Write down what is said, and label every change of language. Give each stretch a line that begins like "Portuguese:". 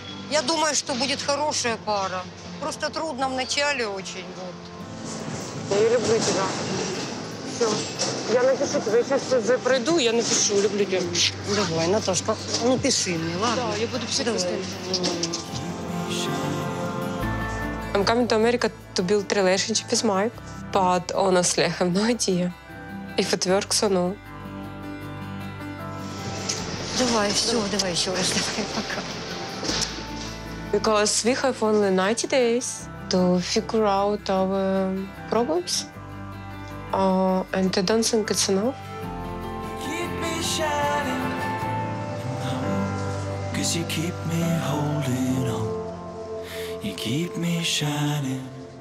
Russian: Я думаю, что будет хорошая пара. Просто трудно вначале очень. Вот. Я люблю тебя. Все. Я напишу тебе. Сейчас я пройду, я напишу. Люблю тебя. Давай, Наташка, напиши мне, ладно? Да, я буду писать постоянно.
English: I'm coming to America to build relationship with Mike, but honestly, I have no idea. If it works, or no.
Russian: Давай, все, давай еще раз, давай, пока.
English: Because we have only 90 days to figure out our problems. And I don't think it's enough. Keep me shining, cause you keep me holding on. You keep me shining.